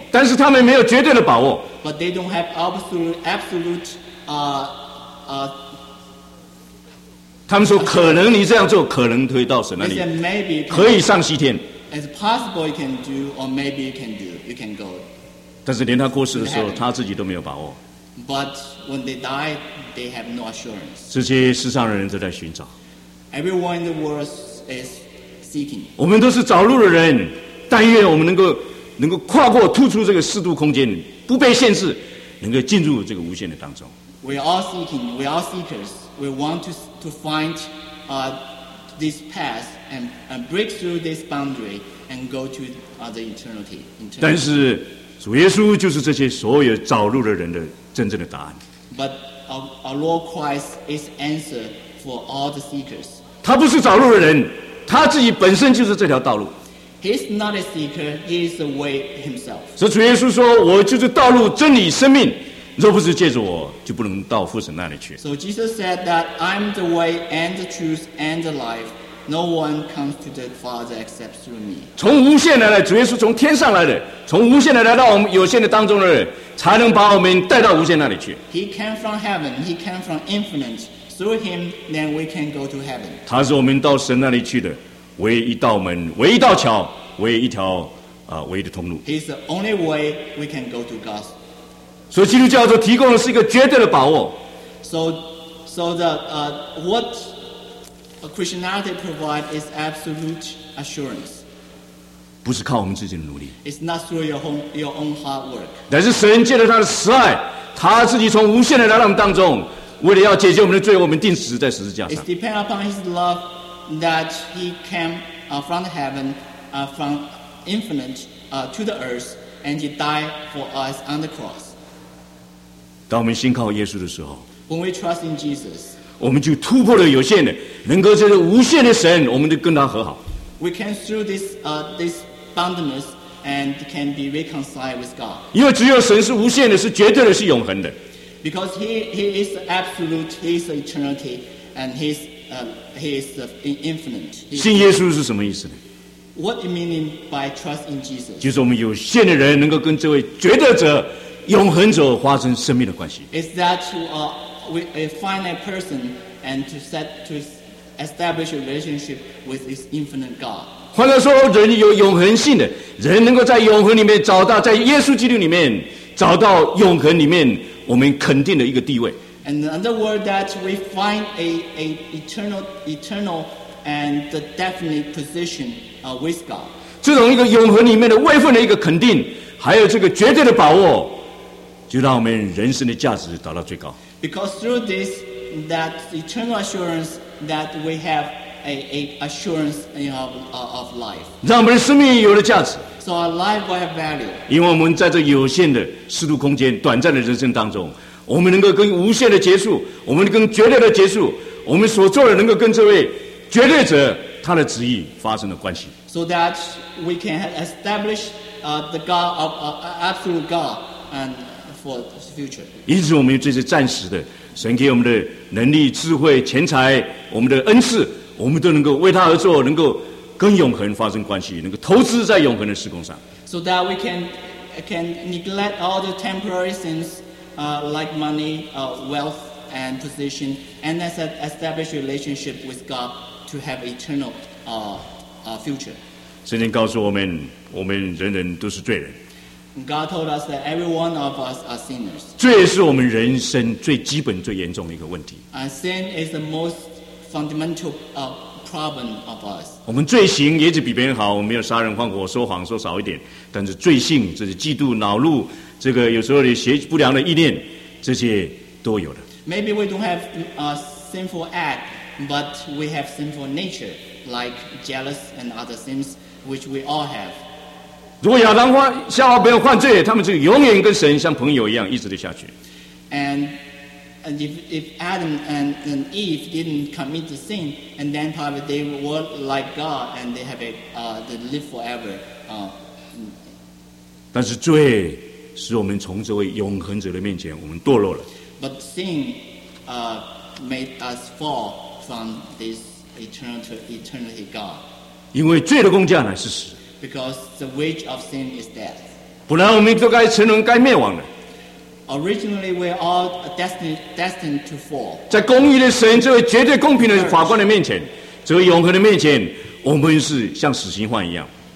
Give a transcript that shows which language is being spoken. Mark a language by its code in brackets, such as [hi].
[zh] 但是他们没有绝对的把握。 [en] But they don't have absolute. [zh] 他们说可能你这样做可能可以到神那里，可以上西天。 [en] It's possible you can do, or maybe you can do, you can go. [zh] 但是连他过世的时候，他自己都没有把握。 [en] But when they die, they have no assurance. [zh] 这些世上的人都在寻找。 [en] Everyone in the world is seeking. [zh] 我们都是找路的人，但愿我们能够跨过、突出这个适度空间，不被限制，能够进入这个无限的当中。 [en] We are all seeking. We are all seekers. We want to find this path and break through this boundary and go to the eternity. [zh] 但是主耶稣就是这些所有找路的人的真正的答案。 [en] But our Lord Christ is answer for all the seekers. [zh] 他不是找路的人，他自己本身就是这条道路。 [en] He's not a seeker. He is the way himself. [zh] 所以主耶稣说：“我就是道路、真理、生命。” 若不是借着我，就不能到父神那里去。 [en] So Jesus said that I'm the way and the truth and the life. No one comes to the Father except through me. [zh] 从无限来的主耶稣，从天上来的，从无限来来到我们有限的当中的人，才能把我们带到无限那里去。 [en] He came from heaven. He came from infinite. Through him, then we can go to heaven. [zh] 他是我们到神那里去的唯一道门、唯一道桥、唯一条唯一的通路。 [en] He's the only way we can go to God. [zh] 所以基督教所提供的是一个绝对的把握。 [en] So the what Christianity provides is absolute assurance. [zh] 不是靠我们自己的努力。 [en] It's not through your own hard work. [zh] 乃是神借着他的慈爱，他自己从无限的来到我们当中，为了要解决我们的罪，我们钉死在十字架上。 [en] It's depend upon his love that he came from heaven, from infinite to the earth, and he died for us on the cross. [zh] 当我们信靠耶稣的时候， [en] When we trust in Jesus, [zh] 我们就突破了有限的，能够这个无限的神，我们就跟他和好。 [en] We can through this boundness and can be reconciled with God. [zh] 因为只有神是无限的，是绝对的，是永恒的。 [en] Because he is absolute, he is eternity, and he is infinite. [zh] 信耶稣是什么意思呢？ [en] What you mean by trust in Jesus? [zh] 就是我们有限的人能够跟这位绝对者。永恒者发生生命的关系。 [en] Is that to a finite person and to establish a relationship with this infinite God? [zh] 换来说，人有永恒性的，人能够在永恒里面找到，在耶稣基督里面找到永恒里面我们肯定的一个地位。 [en] And in other words, that we find an eternal and the definite position with God. [zh] 这种一个永恒里面的位份的一个肯定，还有这个绝对的把握。就让我们人生的价值达到最高。 [en] Because through this, that eternal assurance that we have assurance in of life. [zh] 让我们的生命有了价值。 [en] So our life will have value. [zh] 因为我们在这有限的四度空间、短暂的人生当中，我们能够跟无限的结束，我们跟绝对的结束，我们所做的能够跟这位绝对者他的旨意发生了关系。 [en] So that we can establish the God of absolute God and for the future. [zh] 因此，我们有这些暂时的。神给我们的能力、智慧、钱财，我们的恩赐，我们都能够为他而做，能够跟永恒发生关系，能够投资在永恒的事工上。 [en] So that we can neglect all the temporary things, like money, wealth, and position, and establish relationship with God to have eternal future. [zh] 圣经告诉我们，我们人人都是罪人。 [en] God told us that every one of us are sinners. [zh] 罪是我们人生最基本、最严重的一个问题。 [en] And sin is the most fundamental problem of us. [zh] 我们罪行也许比别人好，我们没有杀人、放火、说谎说少一点，但是罪性，这是嫉妒、恼怒，这个有时候的邪不良的意念，这些都有的。 [en] Maybe we don't have a sinful act, but we have sinful nature, like jealous and other sins, which we all have. [zh] 如果亚当犯夏娃没有犯罪，他们就永远跟神像朋友一样一直的下去。 [en] And if Adam and Eve didn't commit the sin, and then probably they were like God and they have a they live forever. [zh] 但是罪使我们从这位永恒者的面前我们堕落了。 [en] But sin made us fall from this eternity God. [zh] 因为罪的工价乃是死。 [en] Because the wage of sin is death. [zh] 本来我们都该沉沦，该灭亡的。 [en] Originally, we are all destined to fall. [zh] 在公义的神这位绝对公平的法官的面前，这位永恒的面前，我们是像死刑犯一样。